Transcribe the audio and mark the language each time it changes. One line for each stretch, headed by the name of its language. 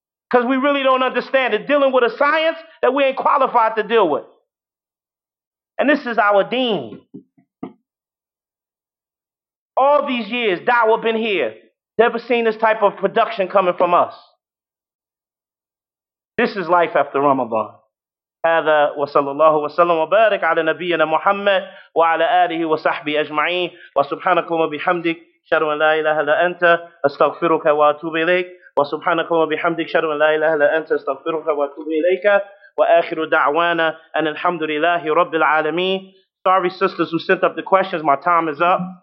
English: Because we really don't understand it, dealing with a science that we ain't qualified to deal with. And this is our deen. All these years, da'wah been here, never seen this type of production coming from us. This is life after Ramadan.
Arabic: هذا وصلى الله وسلم وبارك على نبينا محمد وعلى آله وصحبه أجمعين وسبحانك وبحمدك أشهد أن لا إله إلا أنت أستغفرك وأتوب إليك وسبحانك وبحمدك أشهد أن لا إله إلا أنت أستغفرك وأتوب إليك وآخر دعوانا أن الحمد لله رب العالمين.
English: Sorry sisters who sent up the questions, my time is up.